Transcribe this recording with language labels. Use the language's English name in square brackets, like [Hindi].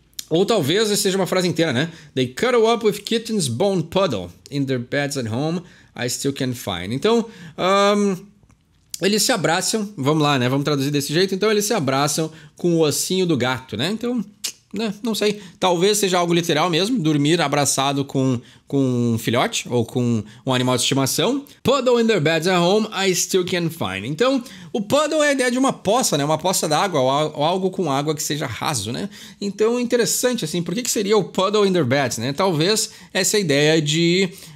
[Portuguese] Ou talvez seja uma frase inteira, né? [English] They cuddle up with kitten's bone, puddle in their beds at home, I still can't find. [Portuguese] Então... eles se abraçam, vamos lá, né? Vamos traduzir desse jeito. Então, eles se abraçam com o ossinho do gato, né? Então, né? Não sei. Talvez seja algo literal mesmo, dormir abraçado com um filhote ou com um animal de estimação. [English] Puddle in their beds at home, I still can't find. [Portuguese] Então, o puddle é a ideia de uma poça, né? Uma poça d'água ou algo com água que seja raso, né? Então, interessante, assim, por que, que seria o [English] puddle in their beds, [Portuguese] né? Talvez essa ideia de...